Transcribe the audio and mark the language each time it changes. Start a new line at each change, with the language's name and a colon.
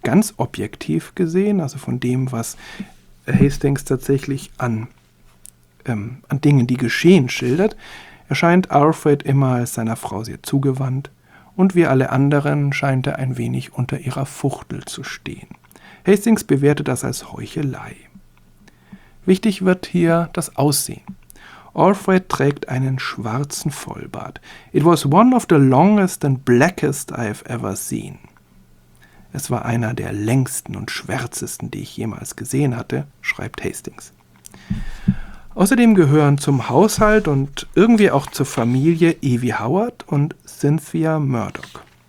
German: Ganz objektiv gesehen, also von dem, was Hastings tatsächlich an Dingen, die geschehen, schildert, erscheint Alfred immer als seiner Frau sehr zugewandt. Und wie alle anderen scheint er ein wenig unter ihrer Fuchtel zu stehen. Hastings bewertet das als Heuchelei. Wichtig wird hier das Aussehen. Alfred trägt einen schwarzen Vollbart.
English: It was one of the longest and blackest I've ever seen.
German: Es war einer der längsten und schwärzesten, die ich jemals gesehen hatte, schreibt Hastings. Außerdem gehören zum Haushalt und irgendwie auch zur Familie Evie Howard und Cynthia Murdoch.